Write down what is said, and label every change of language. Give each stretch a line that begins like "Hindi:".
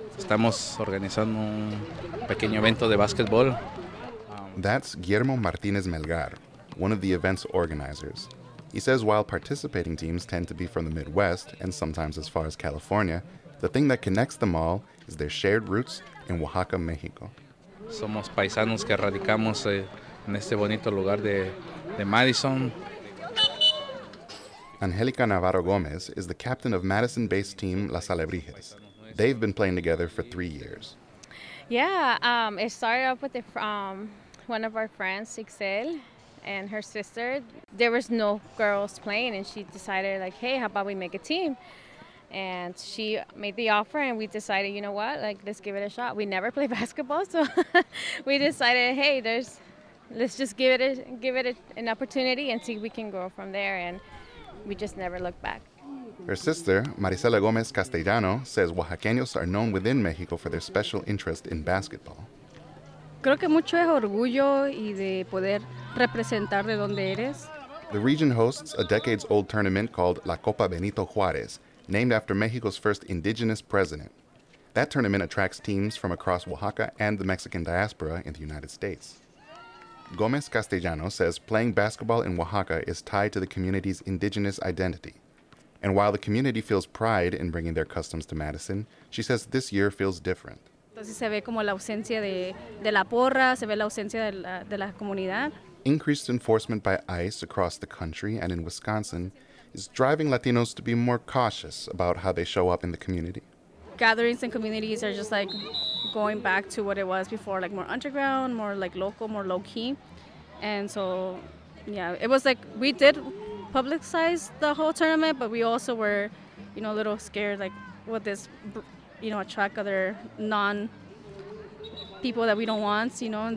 Spanish: Estamos organizando un pequeño evento de basketball.
English: That's Guillermo Martinez Melgar, one of the event's organizers. He says while participating teams tend to be from the Midwest and sometimes as far as California, the thing that connects them all is their shared roots in Oaxaca, Mexico.
Spanish: Somos paisanos que radicamos en este bonito lugar de Madison.
English: Angelica Navarro Gomez is the captain of Madison-based team Las Alebrijes. They've been playing together for 3 years. It started off with one of our friends, Ixel, and her sister. There was no girls playing, and she decided, like, hey, how about we make a team? And she made the offer, and we decided, you know what, like, let's give it a shot. We never play basketball, so we decided, hey, let's just give it an opportunity and see if we can grow from there. And we just never looked back. Her sister, Marisela Gomez Castellano, says Oaxaqueños are known within Mexico for their special interest in basketball.
Spanish: Creo que mucho es orgullo y de poder representar de donde eres.
English: The region hosts a decades-old tournament called La Copa Benito Juárez, named after Mexico's first indigenous president. That tournament attracts teams from across Oaxaca and the Mexican diaspora in the United States. Gomez Castellano says playing basketball in Oaxaca is tied to the community's indigenous identity. And while the community feels pride in bringing their customs to Madison, she says this year feels different.
Spanish: Entonces se ve como la ausencia de la porra, se ve la ausencia de la comunidad.
English: Increased enforcement by ICE across the country and in Wisconsin is driving Latinos to be more cautious about how they show up in the community. Gatherings and communities are just like going back to what it was before, like more underground, more like local, more low-key. And so, yeah, it was like we did publicize the whole tournament, but we also were, you know, a little scared, like, would this, you know, attract other non-people that we don't want, you know?